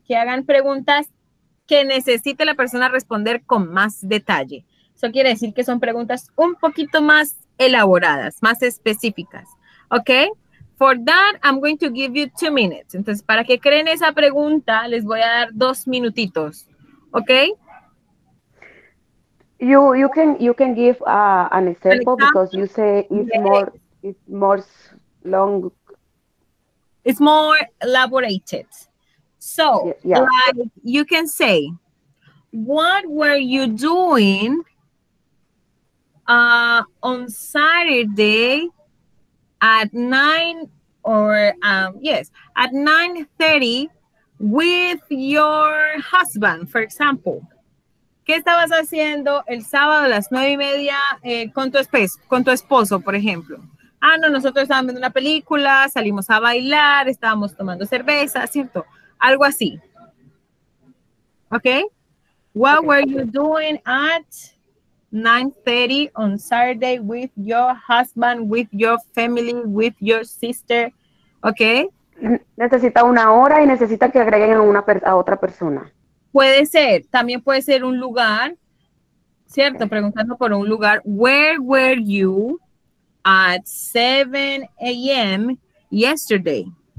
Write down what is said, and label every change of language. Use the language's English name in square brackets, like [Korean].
[Spanish] Que hagan preguntas que necesite la persona responder con más detalle. Eso quiere decir que son preguntas un poquito más elaboradas, más específicas. ¿Ok? [English] For that, I'm going to give you 2 minutes. [Spanish] Entonces, para que creen esa pregunta, les voy a dar 2 minutitos. ¿Ok? [English] You can give an example because you say it's more long. It's more elaborated. So, like you can say, what were you doing on Saturday at 9:30 with your husband, for example? [Spanish] ¿Qué estabas haciendo el sábado a las 9:30 con tu esposo, por ejemplo? Ah, no, nosotros estábamos viendo una película, salimos a bailar, estábamos tomando cerveza, ¿cierto? Algo así. Okay. [English] What were you doing at 9:30 on Saturday with your husband, with your family, with your sister? Okay. [Spanish] Necesita una hora y necesita que agreguen a otra persona. Puede ser, también puede ser un lugar, ¿cierto? [English] Okay. [Spanish] Preguntando por un lugar. [English] Where were you at 7 a.m. yesterday?